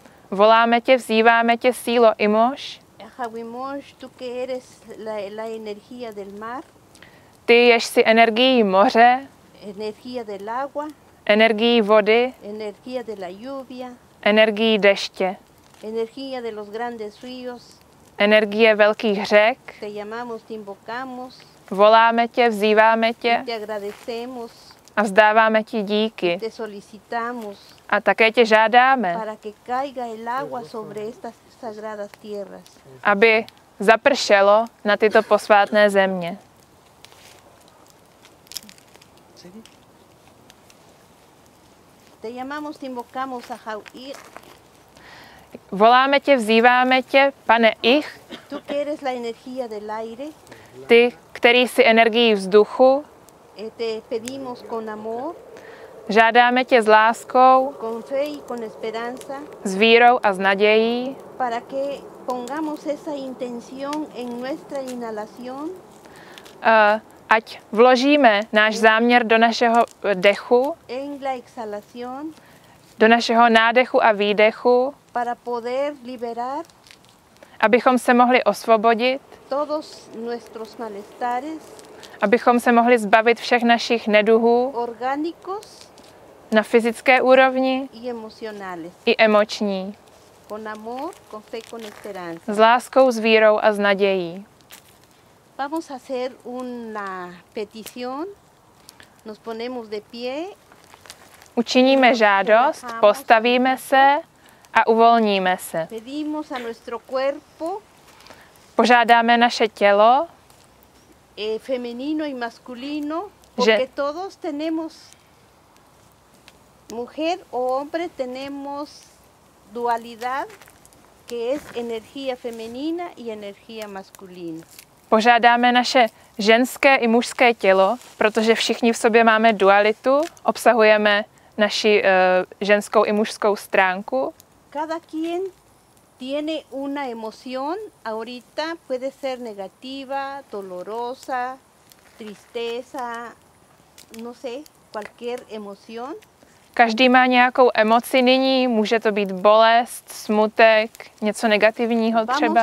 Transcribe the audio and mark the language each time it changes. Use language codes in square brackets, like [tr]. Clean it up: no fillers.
[cs] Voláme tě, vzýváme tě, sílo Imoš. [es] Jahuimosh, tu que eres la energía del mar. [cs] Ty jež si energii moře. [es] Energía del agua. [cs] Energii vody. [es] Energía de la lluvia. [cs] Energii deště. [es] Energía de los grandes ríos. [cs] Energie velkých řek. [es] Te llamamos, te invocamos. [cs] Voláme tě, vzýváme tě. [es] Te agradecemos. [cs] A vzdáváme ti díky. [es] Te solicitamos. [cs] A také tě žádáme. [es] Para que caiga el agua sobre estas sagradas tierras. [cs] Aby zapršelo na tyto posvátné země. [es] Te llamamos, te invocamos a Jair. [cs] Voláme tě, vzýváme tě, pane Ich. [es] Tu que eres la energía del aire. [cs] Ty, který jsi energií vzduchu. [es] Te pedimos con amor. [cs] Žádáme tě s láskou. [es] Con fe y con esperanza. [cs] S vírou a s nadějí. [es] Para que pongamos esa intención en nuestra inhalación. [cs] Ať vložíme náš záměr do našeho dechu. [es] En la exhalación. [cs] Do našeho nádechu a výdechu. [es] Para poder liberar. [cs] Abychom se mohli osvobodit. [es] Todos nuestros malestares. [cs] Abychom se mohli zbavit všech našich neduhů. [es] Orgánicos. [cs] Na fyzické úrovni. [es] Y emocionales. [cs] I emoční. [es] Con amor, con fe, con esperanza. [cs] S láskou, s vírou a s nadějí. [es] Vamos a hacer una petición. Nos ponemos de pie. [cs] Učiníme žádost, postavíme se a uvolníme se. [es] Pedimos a nuestro cuerpo. [cs] Požádáme naše tělo. [es] Femenino y masculino, porque todos tenemos mujer o hombre, tenemos dualidad que es energía femenina y energía masculina. [cs] Požádáme naše ženské i mužské tělo, protože všichni v sobě máme dualitu, obsahujeme naši ženskou i mužskou stránku. [es] Cada quien tiene una emoción ahorita, puede ser negativa, dolorosa, tristeza, no sé, cualquier emoción. [cs] Každý má nějakou emoci nyní, může to být bolest, smutek, něco negativního třeba.